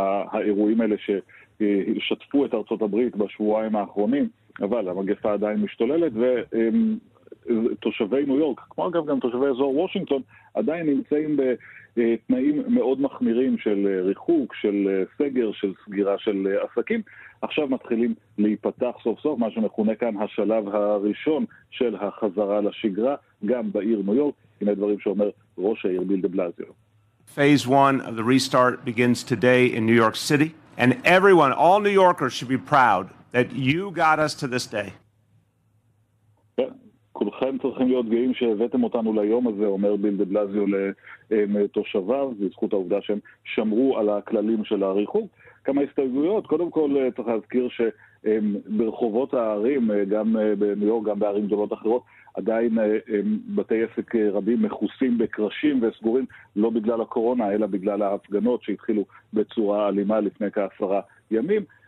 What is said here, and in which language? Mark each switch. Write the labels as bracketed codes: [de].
[he] האירועים האלה ששתפו את ארצות הברית בשבועיים האחרונים, אבל המגפה עדיין משתוללת, ותושבי ניו יורק, כמו אגב גם תושבי אזור וושינגטון, עדיין נמצאים בתנאים מאוד מחמירים של ריחוק, של סגר, של סגירה של עסקים. עכשיו מתחילים להיפתח סוף סוף, מה שמכונה כאן השלב הראשון של החזרה לשגרה, גם בעיר ניו יורק. הנה דברים שאומר ראש העיר ביל דה בלזיו. [en] Phase 1 of the restart begins today in New York City, and everyone, all New Yorkers should be proud that you got us to this day. [he] כולכם צריכים להיות גאים שהבאתם אותנו ליום הזה, אומר ביל דה בלזיו לתושביו, בזכות העובדה שהם שמרו על הכללים של הריחוק. כמה הסתייגויות, קודם כל צריך להזכיר שברחובות הערים, גם בניו יורק, גם בערים גדולות אחרות, עדיין בתי עסק רבים מחוסים בקרשים וסגורים, לא בגלל הקורונה, אלא בגלל ההפגנות שהתחילו בצורה אלימה לפני כעשרה ימים.